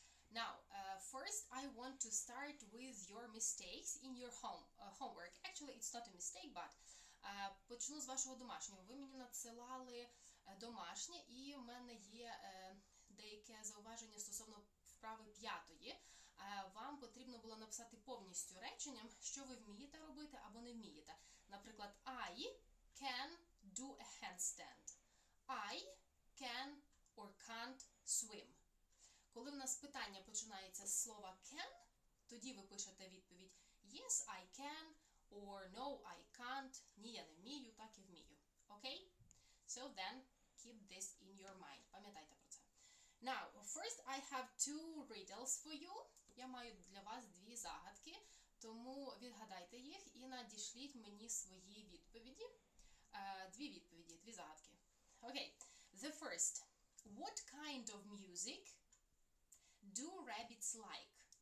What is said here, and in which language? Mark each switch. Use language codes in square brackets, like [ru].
[en] Now, first, I want to start with your mistakes in your homework. Actually, it's not a mistake, but [uk] почну з вашого домашнього. Ви мені надсилали домашнє, і в мене є деяке зауваження стосовно вправи п'ятої. Вам потрібно було написати повністю реченням, що ви вмієте робити або не вмієте. Наприклад, [en] I can do a handstand. I can or can't swim. [uk] Коли в нас питання починається з слова can, тоді ви пишете відповідь [en] yes, I can or no, I can't. [uk] Ні, я не вмію, так і вмію. [en] Okay? So then, keep this in your mind. [uk] Пам'ятайте про це. [en] Now, first I have two riddles for you. [uk] Я маю для вас дві загадки, тому відгадайте їх і надішліть мені свої відповіді. Дві відповіді, дві загадки. [en] Okay, the first. What kind of music do rabbits like?